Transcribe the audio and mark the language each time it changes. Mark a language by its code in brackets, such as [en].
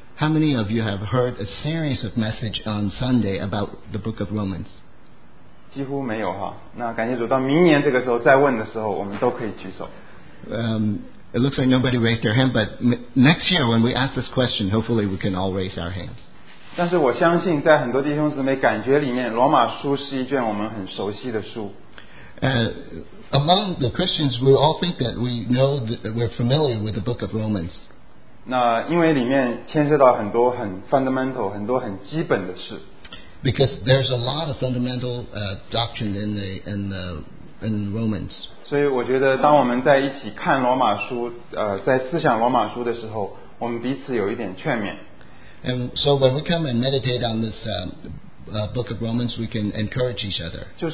[en] How many of you have heard a series of message on Sunday about the book of Romans? [zh] 几乎没有哈。那感谢主，到明年这个时候再问的时候，我们都可以举手。 [en] It looks like nobody raised their hand, but next year when we ask this question, hopefully we can all raise our hands. [zh] 但是我相信，在很多弟兄姊妹感觉里面，罗马书是一卷我们很熟悉的书。 [en] Among the Christians, we all think that we know that we're familiar with the book of Romans. [zh] 那因为里面牵涉到很多很 fundamental, 很多很基本的事。 [en] Because there's a lot of fundamental doctrine in Romans. [zh] 所以我觉得当我们在一起看罗马书, 在思想罗马书的时候, 我们彼此有一点劝勉。 [en] And so when we come and meditate on this Book of Romans, we can encourage each other.